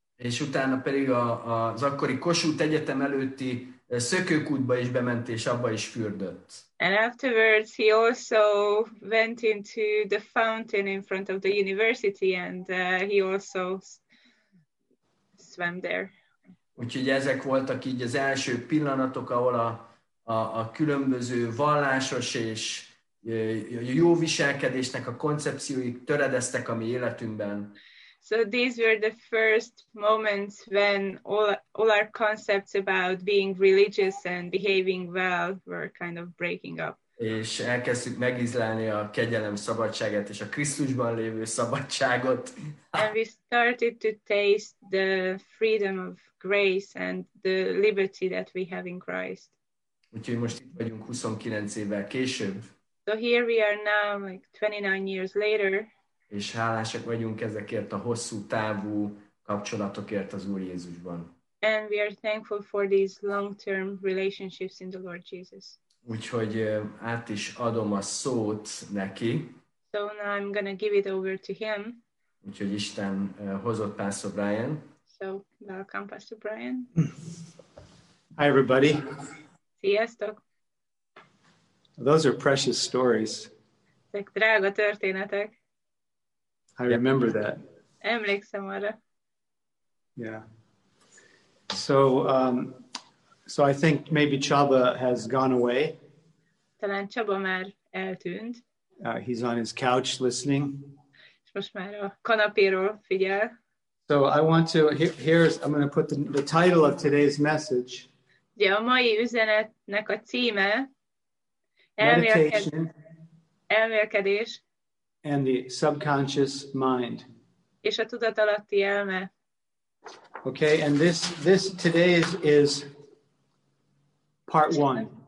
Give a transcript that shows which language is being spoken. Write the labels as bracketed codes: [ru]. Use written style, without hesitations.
[hu] És utána pedig az akkori Kossuth Egyetem előtti szökőkútba is bement, és abba is fürdött. [en] And afterwards he also went into the fountain in front of the university and he also swam there. [hu] Úgyhogy ezek voltak így az első pillanatok, ahol a különböző vallásos és jó viselkedésnek a koncepciói töredeztek a mi életünkben. [en] So these were the first moments when all our concepts about being religious and behaving well were kind of breaking up. [hu] És elkezdtük megízlelni a kegyelem szabadságát és a Krisztusban lévő szabadságot. [en] And we started to taste the freedom of grace and the liberty that we have in Christ. [hu] Úgyhogy most itt vagyunk 29 évvel később. [en] So here we are now, like 29 years later. [hu] És hálásak vagyunk ezekért a hosszú távú kapcsolatokért az Úr Jézusban. [en] And we are thankful for these long-term relationships in the Lord Jesus. [hu] Úgyhogy át is adom a szót neki. [en] So now I'm gonna give it over to him. [hu] Úgyhogy Isten hozott Pastor Brian. [en] So welcome, Pastor Brian. Hi, everybody. [hu] Sziasztok. [en] Those are precious stories. [hu] Ezek drága történetek. [en] I remember that. [hu] Emlékszem arra. [en] Yeah. So I think maybe Csaba has gone away. [hu] Talán Csaba már eltűnt. [en] He's on his couch listening. [hu] És most már a kanapéról figyel. [en] So I want to, I'm going to put the title of today's message. [hu] Ugye a mai üzenetnek a címe, [en] Meditation. [hu] Elmélkedés. [en] And the subconscious mind. [hu] És a tudatalatti elme. [en] Okay, and this today is part one.